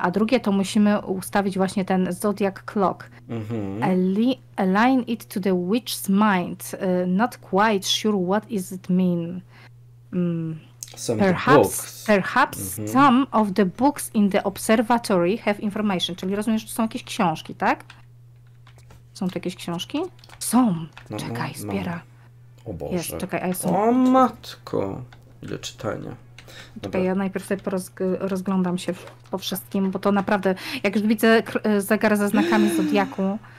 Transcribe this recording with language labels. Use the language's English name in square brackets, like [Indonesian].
[Polish] A drugie to musimy ustawić właśnie ten zodiac clock. Mhm. [English] Align it to the witch's mind. Not quite sure what is it mean. Some perhaps books. Perhaps mhm. some of the books in the observatory have information. [Polish] Czyli rozumiesz, że to są jakieś książki, tak? Są to jakieś książki? Są. No, czekaj, zbiera. No. O Boże. Jest, czekaj, a ja są... O matko! Ile czytania. Dobra. Czekaj, ja najpierw sobie rozglądam się po wszystkim, bo to naprawdę, jak już widzę zegar ze znakami zodiaku.